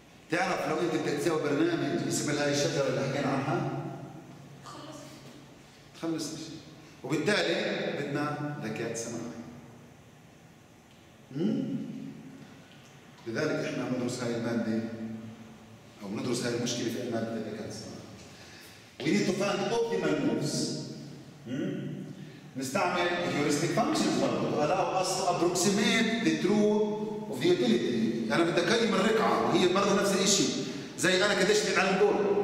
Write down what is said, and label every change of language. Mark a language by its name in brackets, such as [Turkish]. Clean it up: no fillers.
[Arabic] تعرف لو انت بدك تسوي برنامج اسم هاي الشجرة اللي حكينا عنها تخلص وبالتالي بدنا ذكاء صناعي. لذلك احنا بندرس هاي المادة او بندرس هاي المشكلة في مادة الذكاء الصناعي. [English] We need to find optimal moves. [Arabic] نستعمل [English] heuristic functions [Arabic] برضه [English] allow us to approximate the true of the utility. [Arabic] انا بدي اقيم الركعة وهي برضه نفس الشيء. زي انا قديش بعيد عن الجول.